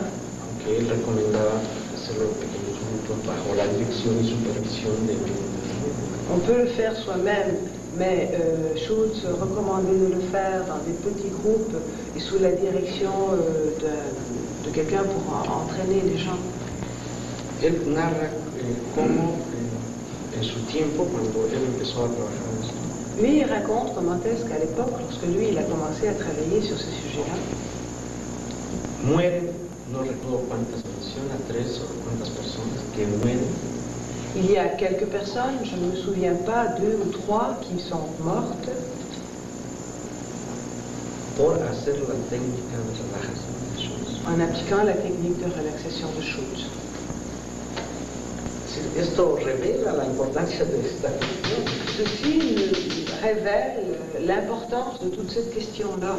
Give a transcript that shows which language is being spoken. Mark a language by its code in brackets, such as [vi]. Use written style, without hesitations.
[es] aunque él recomendaba hacerlo en pequeños grupos bajo la dirección y supervisión de. [fr] On peut le faire soi-même, mais Schultz recommandait de le faire dans des petits groupes et sous la direction de quelqu'un pour entraîner les gens. [es] Él narra cómo. En su tiempo, cuando él empezó a trabajar en esto. [fr] Lui raconte comment est-ce qu'à l'époque, lorsque lui il a commencé à travailler sur ce sujet-là. [es] Mueren, no recuerdo cuántas menciona, tres o cuántas personas que mueren. [fr] Il y a quelques personnes, je ne me souviens pas, deux ou trois qui sont mortes. [es] Por hacer la técnica de relajación de Schultz. [fr] En appliquant la technique de relaxation de Schultz. [es] Esto revela la importancia de esta cuestión. [fr] Ceci révèle l'importance de toute cette question-là.